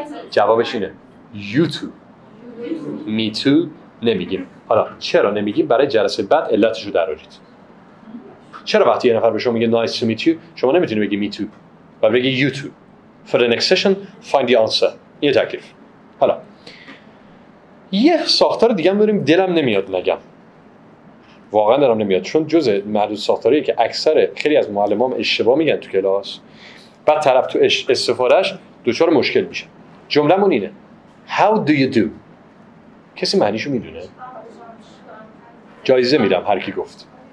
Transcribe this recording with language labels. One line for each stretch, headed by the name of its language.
Persian: جوابش اینه.
English: You too. Me too.
Persian: نمیگیم. حالا چرا نمیگیم؟ برای جلسه بعد علتشو درآورید. چرا وقتی یه نفر به شما میگه
English: nice to meet you
Persian: شما نمیتونی بگی me too و بگی you too.
English: For the next session find the answer.
Persian: یه تکلیف. حالا یه ساختار دیگه هم بریم. دلم نمیاد نگم، واقعا دلم نمیاد، چون جزء معدود ساختاری که اکثر خیلی از معلمام اشتباه میگن تو کلاس، بعد طرف تو استفادهش دوچار مشکل میشه. جمله من اینه:
English: How do you do؟
Persian: کسی معنیشو میدونه؟ جایزه میدم هر کی گفت.